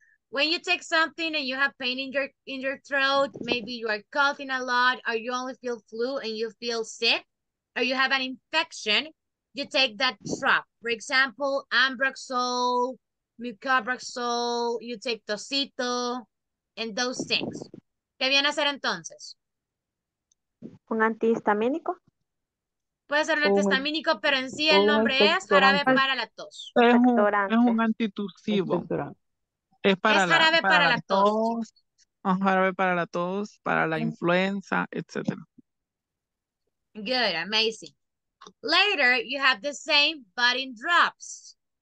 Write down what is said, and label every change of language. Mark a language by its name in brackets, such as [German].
[English] When you take something and you have pain in your throat, maybe you are coughing a lot, or you only feel flu and you feel sick, or you have an infection, you take that drop. For example, ambroxol, mucobroxol, you take tocito, and those things. [Spanish] ¿Qué viene a ser entonces? ¿Un antihistamínico? Puede ser un antihistamínico, pero en sí el nombre es jarabe para la tos. Es un antitusivo. Es jarabe para la tos, para la influenza, etc. [English] Good, amazing. Later, you have the same, but in drops.